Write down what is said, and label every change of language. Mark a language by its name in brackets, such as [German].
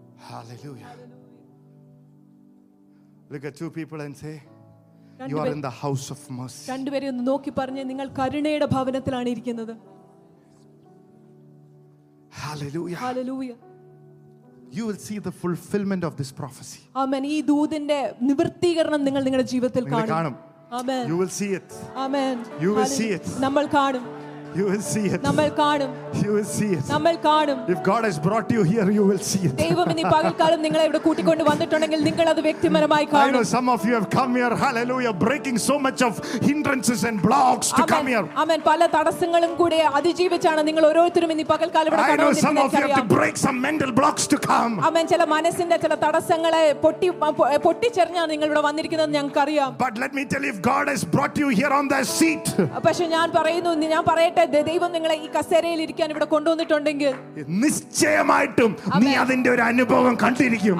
[English] Hallelujah Look at two people and say You are in the house of mercy [Malayalam] രണ്ടു പേരെ ഒന്ന് നോക്കി പറഞ്ഞു നിങ്ങൾ കരുണയുടെ ഭവനത്തിലാണ് ഇരിക്കുന്നത് [English] Hallelujah Hallelujah You will see the fulfillment of this prophecy [Malayalam] Amen ഈ ദൂതന്റെ നിവൃത്തീകരണം നിങ്ങൾ നിങ്ങളുടെ ജീവിതത്തിൽ കാണും [English] Amen You will see it Amen You will see it [Malayalam] നമ്മൾ കാണും [English] You will see it. [Malayalam] നമ്മൾ കാണും. [English] You will see it. [Malayalam] നമ്മൾ കാണും. [English] If God has brought you here, you will see it. [Malayalam] ദൈവം ഇനി പകൽക്കാലം നിങ്ങളെ ഇവിടെ കൂട്ടിക്കൊണ്ട് വന്നിട്ടുണ്ടെങ്കിൽ നിങ്ങൾ അത് വ്യക്തിപരമായി കാണും. [English] I know some of you have come here. Hallelujah. Breaking so much of hindrances and blocks to come here. [Malayalam] ആമേൻ. പല തടസ്സങ്ങളും കൂടെ അതിജീവിച്ചാണ് നിങ്ങൾ ഓരോരുത്തരും ഇനി പകൽക്കാലം ഇവിടെ കടന്നു വരുന്നത്. [English] I know some of you have to break some mental blocks to come. [Malayalam] ആമേൻ. ചില മനസ്സിന്റെ ചില തടസ്സങ്ങളെ പൊട്ടിച്ചെറിഞ്ഞാണ് നിങ്ങൾ ഇവിടെ വന്നിരിക്കുന്നത് ഞങ്ങൾക്കറിയാം. [English] But let me tell you if God has brought you here on the seat. [Malayalam] പക്ഷേ ഞാൻ പറയുന്നു ഞാൻ പറയാം ദൈവം നിങ്ങളെ ഈ കസേരയിൽ ഇരിക്കാൻ ഇവിടെ കൊണ്ടുവന്നിട്ടുണ്ടെങ്കിൽ നിശ്ചയമായിട്ടും നീ അതിന്റെ ഒരു അനുഭവം കണ്ടിരിക്കും